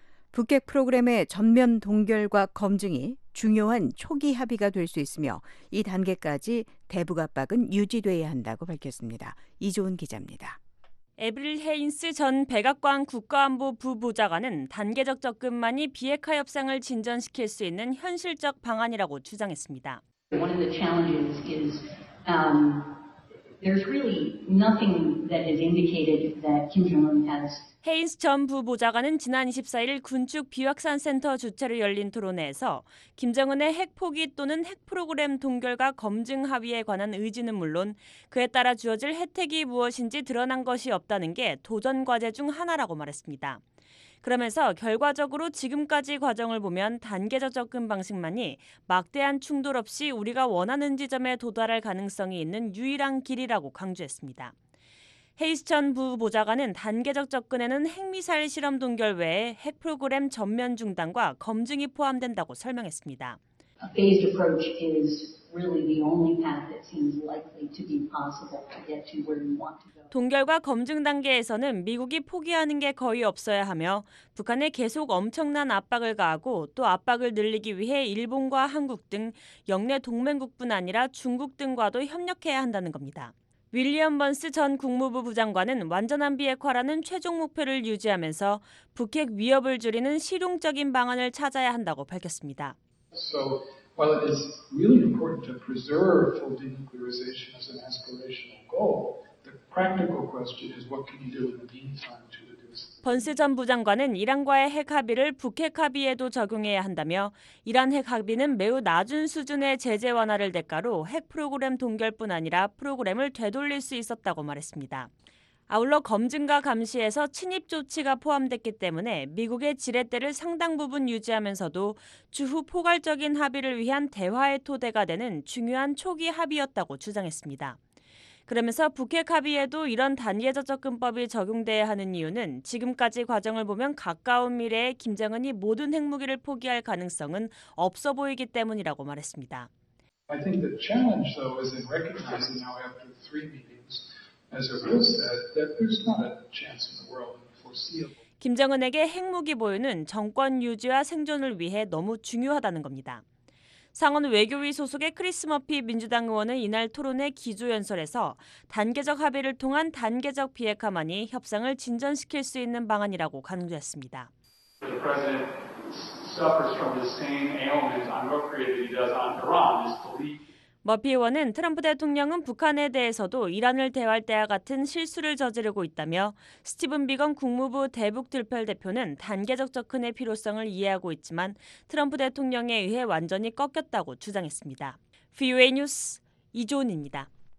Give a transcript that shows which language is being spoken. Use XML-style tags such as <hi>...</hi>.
<ko>북핵 프로그램의 전면 동결과 검증이 중요한 초기 합의가 될 수 있으며 이 단계까지 대북 압박은 유지돼야 한다고 밝혔습니다. 이조은 기자입니다. 에브릴 헤인스 전 백악관 국가안보 부부장관은 단계적 접근만이 비핵화 협상을 진전시킬 수 있는 현실적 방안이라고 주장했습니다.</ko> <en>One of the challenges is there's really nothing that has indicated that Kim Jong-un has</en> <ko>헤인스 전 부보좌관은 지난 24일 군축 비확산 센터 주최로 열린 토론회에서 김정은의 핵포기 또는 핵프로그램 동결과 검증 합의에 관한 의지는 물론 그에 따라 주어질 혜택이 무엇인지 드러난 것이 없다는 게 도전 과제 중 하나라고 말했습니다. 그러면서 결과적으로 지금까지 과정을 보면 단계적 접근 방식만이 막대한 충돌 없이 우리가 원하는 지점에 도달할 가능성이 있는 유일한 길이라고 강조했습니다. 헤이스 전 부보좌관은 단계적 접근에는 핵미사일 실험 동결 외에 핵 프로그램 전면 중단과 검증이 포함된다고 설명했습니다.</ko> <en>A phased approach is really the only path that seems likely to be possible to get to where you want to go.</en> <ko>동결과 검증 단계에서는 미국이 포기하는 게 거의 없어야 하며 북한에 계속 엄청난 압박을 가하고 또 압박을 늘리기 위해 일본과 한국 등 역내 동맹국뿐 아니라 중국 등과도 협력해야 한다는 겁니다. 윌리엄 번스 전 국무부 부장관은 완전한 비핵화라는 최종 목표를 유지하면서 북핵 위협을 줄이는 실용적인 방안을 찾아야 한다고 밝혔습니다.</ko> <en>So, while it is really important to preserve full denuclearization as an aspirational goal, the practical question is what can you do in the meantime to reduce.</en> <ko>번스 전 부장관은 이란과의 핵 합의를 북핵 합의에도 적용해야 한다며 이란 핵 합의는 매우 낮은 수준의 제재 완화를 대가로 핵 프로그램 동결뿐 아니라 프로그램을 되돌릴 수 있었다고 말했습니다. 아울러 검증과 감시에서 침입 조치가 포함됐기 때문에 미국의 지렛대를 상당 부분 유지하면서도 주후 포괄적인 합의를 위한 대화의 토대가 되는 중요한 초기 합의였다고 주장했습니다. 그러면서 북핵 합의에도 이런 단계적 접근법이 적용돼야 하는 이유는 지금까지 과정을 보면 가까운 미래에 김정은이 모든 핵무기를 포기할 가능성은 없어 보이기 때문이라고 말했습니다.</ko> <en>I think the challenge, though, is in recognizing now after three meetings, as Earl said, that there's not a chance in the world foreseeable.</en> <ko>김정은에게 핵무기 보유는 정권 유지와 생존을 위해 너무 중요하다는 겁니다. 상원 외교위 소속의 크리스 머피 민주당 의원은 이날 토론회 기조연설에서 단계적 합의를 통한 단계적 비핵화만이 협상을 진전시킬 수 있는 방안이라고 강조했습니다.</ko> <en>The president suffers from the same ailments on North Korea that he does on Iran, his belief.</en> <ko>머피 의원은 트럼프 대통령은 북한에 대해서도 이란을 대화할 때와 같은 실수를 저지르고 있다며 스티븐 비건 국무부 대북 특별 대표는 단계적 접근의 필요성을 이해하고 있지만 트럼프 대통령에 의해 완전히 꺾였다고 주장했습니다. VOA 뉴스 이조은입니다.</ko>